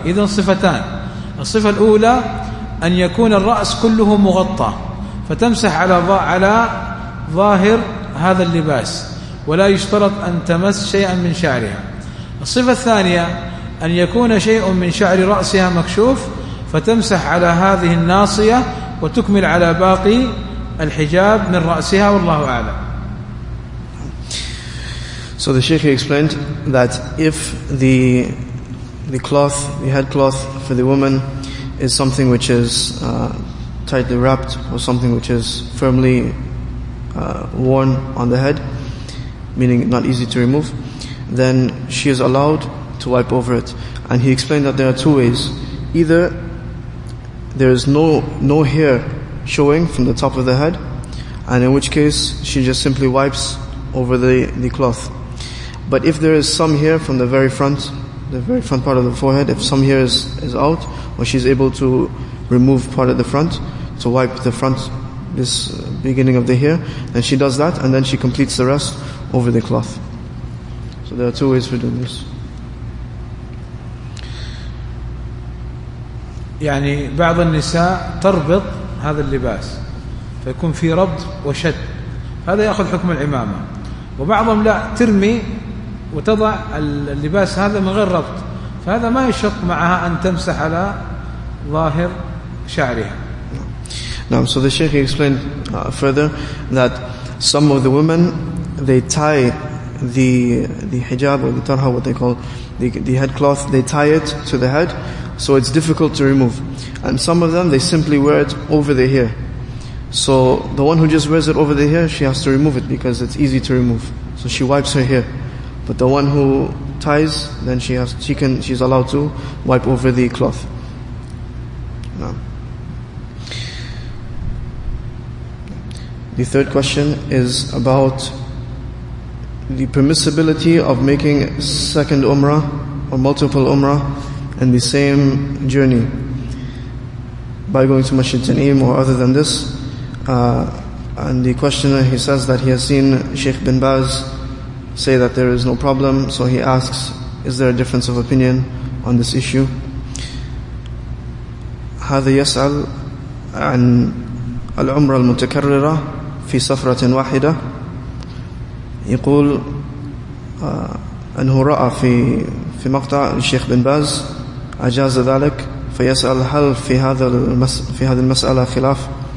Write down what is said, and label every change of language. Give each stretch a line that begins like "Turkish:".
Arabic: إذن صفتان، الصفة الأولى أن يكون الرأس كله مغطى فتمسح على ظاهر هذا اللباس ولا يشترط أن تمس شيئا من شعرها. الصفة الثانية أن يكون شيء من شعر رأسها مكشوف فتمسح على هذه الناصية وتكمل على باقي الحجاب من رأسها والله أعلم.
English: So the Sheikh explained that if the cloth, the head cloth for the woman is something which is tightly wrapped or something which is firmly worn on the head, meaning not easy to remove, then she is allowed to wipe over it. And he explained that there are two ways. Either there is no hair showing from the top of the head, and in which case she just simply wipes over the cloth. But if there is some hair from the very front part of the forehead, if some hair is out, or she's able to remove part of the front, to wipe the front, this beginning of the hair, then she does that, and then she completes the rest over the cloth. So there are two ways for doing this.
Arabic: يعني بعض النساء تربط هذا اللباس فيكون في ربط وشد، هذا يأخذ حكم العمامة، وبعضهم لا، ترمي وتضع اللباس هذا من غير ربط، فهذا ما يشق معها أن تمسح على ظاهر شعرها.
English: Now, so the Sheikh explained further that some of the women, they tie the hijab or the tarha, what they call the headcloth, they tie it to the head, so it's difficult to remove. And some of them, they simply wear it over the hair. So the one who just wears it over the hair, she has to remove it because it's easy to remove. So she wipes her hair. But the one who ties, then she's allowed to wipe over the cloth. No. The third question is about the permissibility of making second umrah or multiple umrah in the same journey by going to Masjid Tanim or other than this. And the questioner, he says that he has seen Sheikh bin Baz say that there is no problem, so he asks, is there a difference of opinion on this issue?
Arabic: هذا يسأل عن العمرة المتكررة في سفرة واحدة. يقول أنه رأى في مقطع الشيخ بن باز أجاز ذلك، فيسأل هل في هذه المسألة خلاف؟